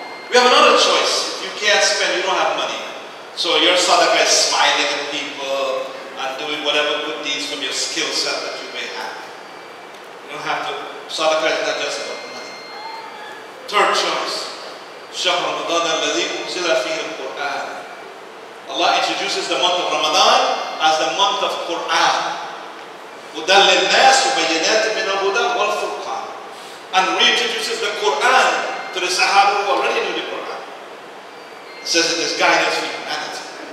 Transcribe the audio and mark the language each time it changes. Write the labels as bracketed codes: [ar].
[en] We have another choice. If you can't spend, you don't have money. So your sadaqa is smiling at people and doing whatever good deeds from your skill set that you may have. You don't have to. Sadaqa is not just about money. Third choice. [ar] شهر رمضان الذي أنزل فيه القرآن. [en] Allah introduces the month of Ramadan as the month of Quran. [ar] هُدًى لِلنَّاسِ وَبَيِّنَاتٍ مِنَ الْهُدَى وَالْفُرْقَانِ. [en] And reintroduces the Quran to the Sahaba who already knew the Quran. It says it is guidance for humanity.